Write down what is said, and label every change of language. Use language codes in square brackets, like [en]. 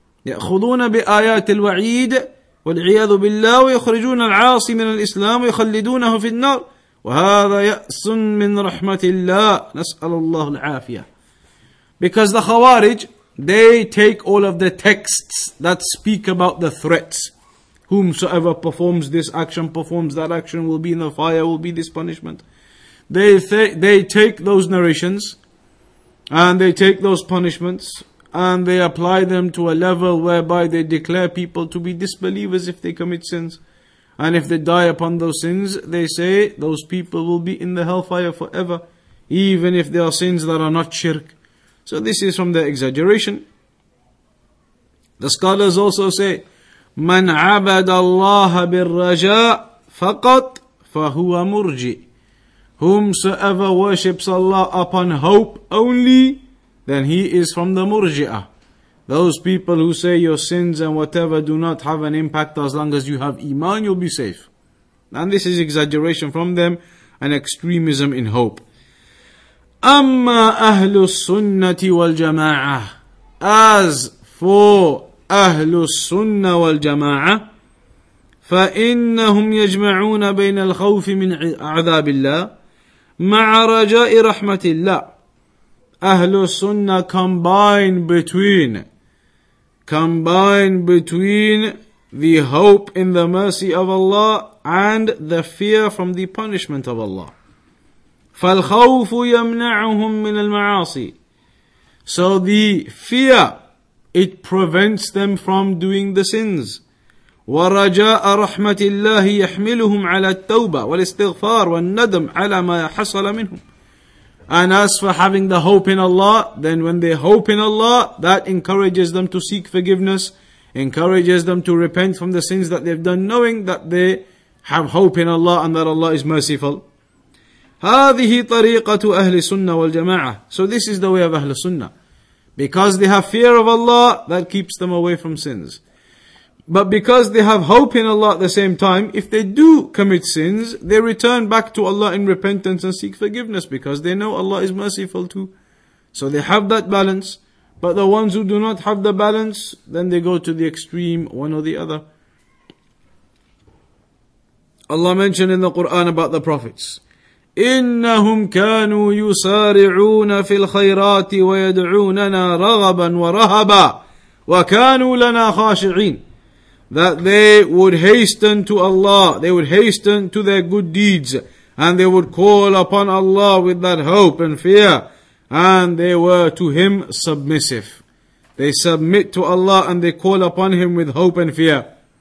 [ar] يأخذون بآيات الوعيد والعياذ بالله ويخرجون العاصي من الإسلام ويخلدونه في النار وهذا يأس من رحمة الله نسأل الله العافية. [en] Because the Khawarij, they take all of the texts that speak about the threats. Whomsoever performs this action, performs that action, will be in the fire, will be this punishment. They take those narrations, and they take those punishments, and they apply them to a level whereby they declare people to be disbelievers if they commit sins. And if they die upon those sins, they say those people will be in the hellfire forever, even if they are sins that are not shirk. So this is from their exaggeration. The scholars also say, [ar] مَنْ عَبَدَ اللَّهَ بِالرَّجَاءِ فَقَطْ فَهُوَ مُرْجِي. [en] Whomsoever worships Allah upon hope only, then he is from the murji'ah. Those people who say your sins and whatever do not have an impact, as long as you have iman, you'll be safe. And this is exaggeration from them and extremism in hope. [ar] أَمَّا أَهْلُ السُّنَّةِ وَالْجَمَاعَةِ. [en] As for [ar] أهل السنة والجماعة فإنهم يجمعون بين الخوف من عذاب الله مع رجاء رحمة الله. [en] أهل السنة combine between the hope in the mercy of Allah and the fear from the punishment of Allah. [ar] فالخوف يمنعهم من المعاصي. [en] So the fear, it prevents them from doing the sins. [ar] وَرَجَاءَ رَحْمَةِ اللَّهِ يَحْمِلُهُمْ عَلَى التَّوْبَةِ وَالْإِسْتِغْفَارِ وَالنَّدَمْ عَلَى مَا حَصَلَ مِنْهُمْ. [en] And as for having the hope in Allah, then when they hope in Allah, that encourages them to seek forgiveness, encourages them to repent from the sins that they've done, knowing that they have hope in Allah and that Allah is merciful. [ar] هَذِهِ طَرِيقَةُ أَهْلِ سُنَّةِ وَالْجَمَاعَةِ. [en] So this is the way of Ahl Sunnah. Because they have fear of Allah, that keeps them away from sins. But because they have hope in Allah at the same time, if they do commit sins, they return back to Allah in repentance and seek forgiveness, because they know Allah is merciful too. So they have that balance. But the ones who do not have the balance, then they go to the extreme, one or the other. Allah mentioned in the Quran about the prophets, [ar] إنهم كانوا يسارعون في الخيرات ويدعوننا رغبا ورهبا وكانوا لنا خاشعين. [en] That they would hasten to Allah, they would hasten to their good deeds, and they would call upon Allah with that hope and fear, and they were to Him submissive. They submit to Allah and they call upon Him with hope and fear.